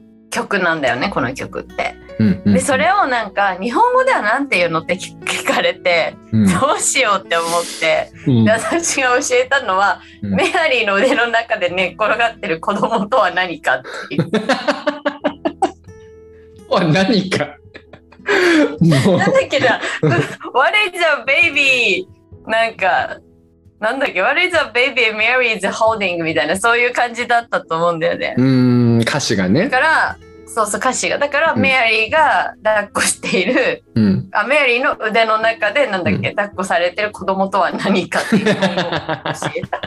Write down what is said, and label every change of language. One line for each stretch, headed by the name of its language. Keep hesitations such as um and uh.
Japanese: 曲なんだよねこの曲って。うんうん、でそれをなんか「日本語では何て言うの? 」って聞かれて、うん、どうしようって思って、うん、私が教えたのは、うん、メアリーの腕の中で寝、ね、っ転がってる子供とは何か」っていう。何かなんだっけな
English: 「What is a baby?
Japanese: 」なんかなんだっけ
English: 「What is a baby? 」「Mary is holding」
Japanese: みたいなそういう感じだったと思うんだよね。歌詞がねだからそうそう歌詞がだからメアリーが抱っこしている、うん、あメアリーの腕の中でなんだっけ、うん、抱っこされてる子供とは何かっていうのを教え